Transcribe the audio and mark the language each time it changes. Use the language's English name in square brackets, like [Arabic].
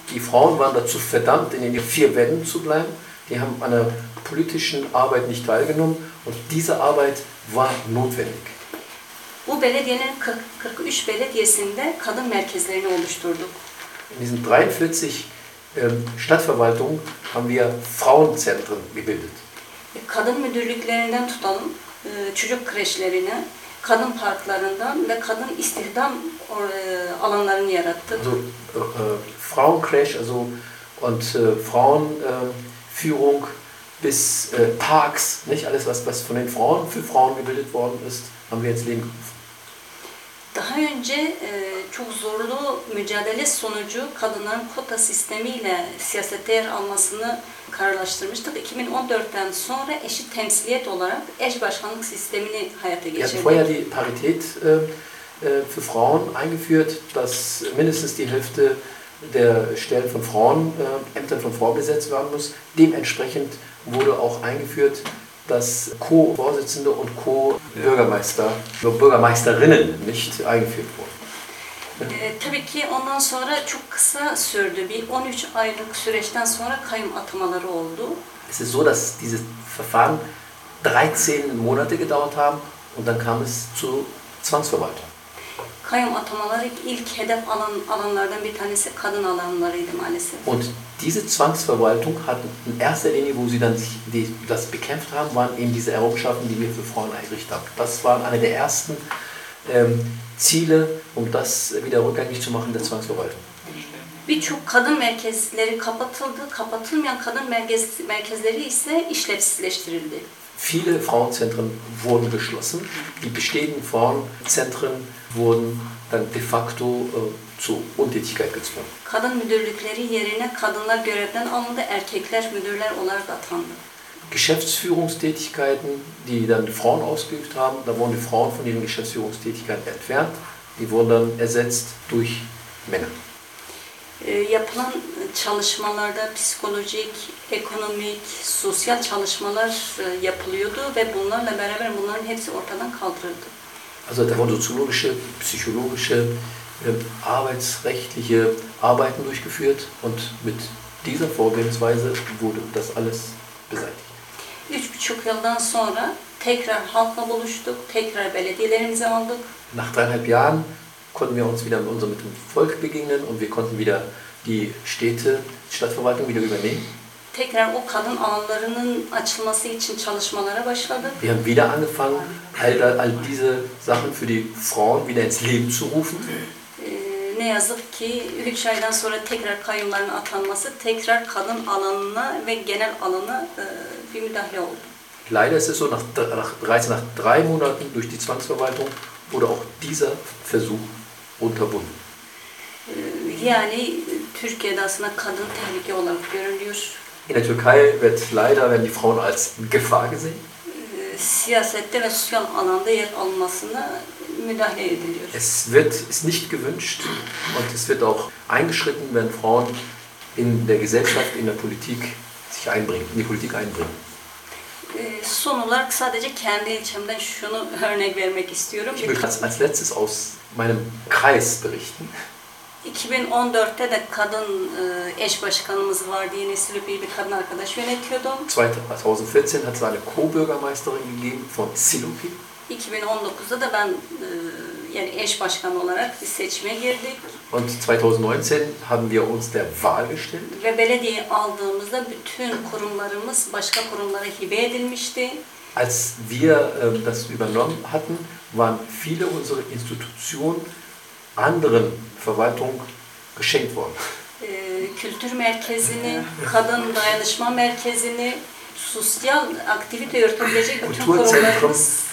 [German] Die Frauen waren dazu verdammt, in den vier Wänden zu bleiben. Die haben an der politischen Arbeit nicht teilgenommen und diese Arbeit war notwendig. [Turkish] Bu belediyenin 43 belediyesinde kadın merkezlerini oluşturduk. [German] In diesen 43 Stadtverwaltung haben wir Frauenzentren gebildet. [Turkish] Kadın müdürlüklerinden tutalım, çocuk kreşlerini, kadın parklarından ve kadın istihdam alanlarını yarattık. [German] Also Frauenkreş, also und Frauenführung bis Parks, nicht alles was von den Frauen für Frauen gebildet worden ist, haben wir ins Leben gerufen. [Turkish] Daha önce çok zorlu mücadele sonucu kadınların kota sistemiyle siyasete yer almasını kararlaştırmıştık. 2014'ten sonra eşit temsiliyet olarak eş başkanlık sistemini hayata geçirdik. [German] Wir haben vorher die Parität für Frauen eingeführt, dass mindestens die Hälfte der Stellen von Frauen, Ämtern von Frauen besetzt werden muss. Dementsprechend wurde auch eingeführt, dass Co-Vorsitzende und Co-Bürgermeister, nur Bürgermeisterinnen nicht eingeführt wurden. [Turkish] Tabii ki ondan sonra çok kısa sürdü. Bir 13 aylık süreçten sonra kayyum atamaları oldu. [German] Es ist so, dass diese Verfahren 13 Monate gedauert haben und dann kam es zu Zwangsverwaltung. [Turkish] Kayyum atamaları ilk hedef alanlardan bir tanesi kadın alanlarıydı maalesef. [German] Und diese Zwangsverwaltung hat in erster Linie, wo sie dann sich das bekämpft haben, waren eben diese Errungenschaften, die wir für Frauen eingerichtet haben. Das waren eine der ersten Ziele, um das wieder rückgängig zu machen, der Zwangsverwaltung. [Turkish] Birçok kadın merkezleri kapatıldı, kapatılmayan kadın merkezleri ise işlevsizleştirildi. [German] Viele Frauenzentren wurden geschlossen. Die bestehenden Frauenzentren wurden dann de facto zu Untätigkeit gezwungen. [Turkish] Kadın müdürlükleri yerine kadınlar görevden alındı, erkekler müdürler olarak atandı. [German] Geschäftsführungstätigkeiten, die dann die Frauen ausgeübt haben, da wurden die Frauen von ihren Geschäftsführungstätigkeiten entfernt. Die wurden dann ersetzt durch Männer. [Turkish] Yapılan çalışmalarda psikolojik, ekonomik, sosyal çalışmalar yapılıyordu ve bunlarla beraber bunların hepsi ortadan kaldırıldı. [German] Also da wurden soziologische, psychologische, arbeitsrechtliche Arbeiten durchgeführt und mit dieser Vorgehensweise wurde das alles beseitigt. [Turkish] 3,5 yıldan sonra tekrar halkla buluştuk, tekrar belediyelerimize aldık. [German] Nach 3,5 Jahren konnten wir uns wieder mit dem Volk begegnen und wir konnten wieder die Städte, die Stadtverwaltung wieder übernehmen. [Turkish] Tekrar o kadın alanlarının açılması için çalışmalara başladık. [German] Wir haben wieder angefangen, all diese Sachen für die Frauen wieder ins Leben zu rufen. [Turkish] Ne yazık ki 3 aydan sonra tekrar kayyumların atanması, tekrar kadın alanına ve genel alana bir müdahale oldu. [German] Leider ist es so, nach 3 Monaten durch die Zwangsverwaltung wurde auch dieser Versuch unterbunden. [Turkish] Yani Türkiye'de aslında kadın tehlike olarak görülüyor. [German] In der Türkei wird leider werden die Frauen als Gefahr gesehen. [Turkish] Siyasette ve sosyal alanda yer almasına müdahale ediliyor. [German] Es wird ist nicht gewünscht und es wird auch eingeschritten, wenn Frauen in der Gesellschaft, in der Politik sich einbringen, in die Politik einbringen. [Turkish] Son olarak sadece kendi ilçemden şunu örnek vermek istiyorum. [German] Ich möchte als letztes aus meinem Kreis berichten. [Turkish] 2014'te de kadın eş başkanımız vardı. Yine Silivri'yi bir kadın arkadaş yönetiyordum. [German] 2014 hat es eine Co-Bürgermeisterin gegeben von Silivri. [Turkish] 2019'da da ben yani eş başkan olarak bir seçime girdik. [German] Und 2019 haben wir uns der Wahl gestellt. [Turkish] Ve belediye aldığımızda bütün kurumlarımız başka kurumlara hibe edilmişti. [German] Als wir das übernommen hatten, waren viele unserer Institutionen anderen Verwaltung geschenkt worden. [Turkish] Kulturmerkezini, kadın dayanışma merkezini, sosyal aktivite yürütebilecek bütün kurumlarımız.